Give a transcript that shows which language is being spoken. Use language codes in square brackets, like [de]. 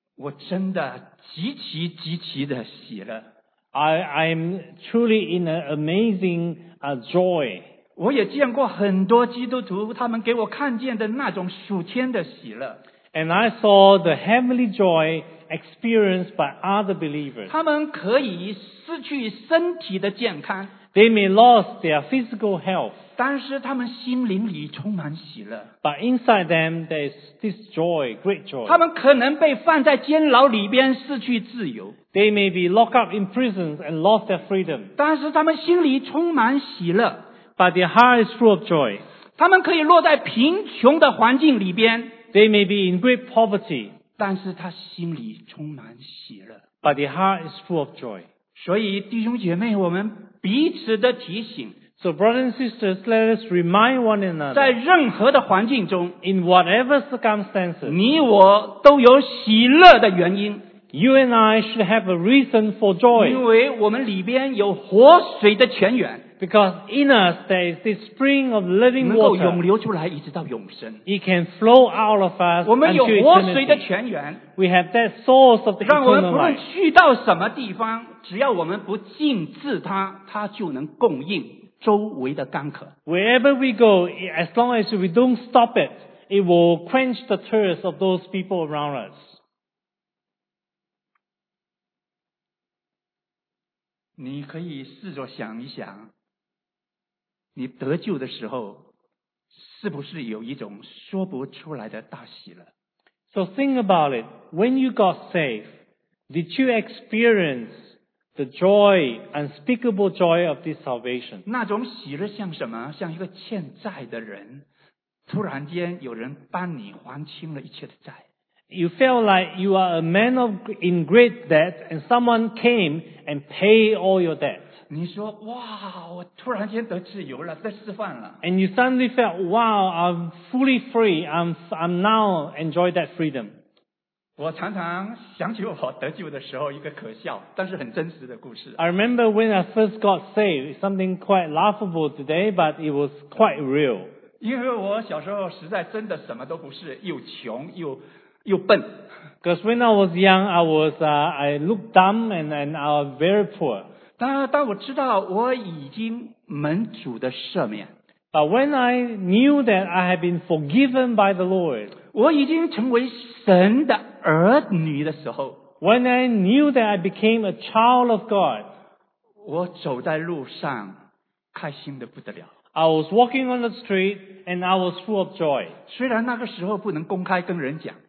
[zh] 我真的极其极其的喜乐。 [en] I'm truly in an amazing joy. [zh] 我也见过很多基督徒他们给我看见的那种属天的喜乐。 [en] And I saw the heavenly joy experienced by other believers. [zh] 他们可以失去身体的健康。 [en] They may lose their physical health. [zh] 但是他们心灵里充满喜乐。 [en] But inside them, there is this joy, great joy. [zh] 他们可能被放在监牢里边失去自由。 [en] They may be locked up in prison and lost their freedom. [zh] 但是他们心里充满喜乐。 [en] But their heart is full of joy. [zh] 他们可以落在贫穷的环境里边。 [en] They may be in great poverty. [zh] 但是他心里充满喜乐。 [en] But their heart is full of joy. [zh] 所以弟兄姐妹，我们彼此的提醒。 [en] So brothers and sisters, let us remind one another. [zh] 在任何的环境中。 [en] In whatever circumstances. [zh] 你我都有喜乐的原因。 [en] You and I should have a reason for joy. [zh] 因为我们里边有活水的泉源。 [en] Because in us there is this spring of living water. [zh] 能够涌流出来一直到永生。 [en] It can flow out of us. [zh] 我们有活水的泉源。 [en] We have that source of the eternal life. [zh] 让我们不论去到什么地方，只要我们不禁止它，它就能供应周围的干渴。 [en] Wherever we go, as long as we don't stop it, it will quench the thirst of those people around us. [zh] 你可以试着想一想。你得救的时候是不是有一种说不出来的大喜乐 [en] So think about it. When you got saved, did you experience the joy, unspeakable joy of this salvation? [zh] 那种喜乐像什么？像一个欠债的人，突然间有人帮你还清了一切的债。 [en] You felt like you are a man of, in great debt and someone came and paid all your debt. [zh] 你说哇我突然间得自由了得释放了。 [en] And you suddenly felt, wow, I'm fully free, I'm now enjoy that freedom. [zh] 我常常想起我得救的时候一个可笑但是很真实的故事。 [en] I remember when I first got saved, something quite laughable today, but it was quite real. [zh] 因为我小时候实在真的什么都不是又穷又又笨 [en] Because when I was young, I looked dumb and I was very poor. [zh] 当我知道我已经蒙主的赦免 [en] But when I knew that I had been forgiven by the Lord, [zh] 我已经成为神的儿女的时候 [en] When I knew that I became a child of God, [zh] 我走在路上开心得不得了 [en] I was walking on the street and I was full of joy. [zh] 虽然那个时候不能公开跟人讲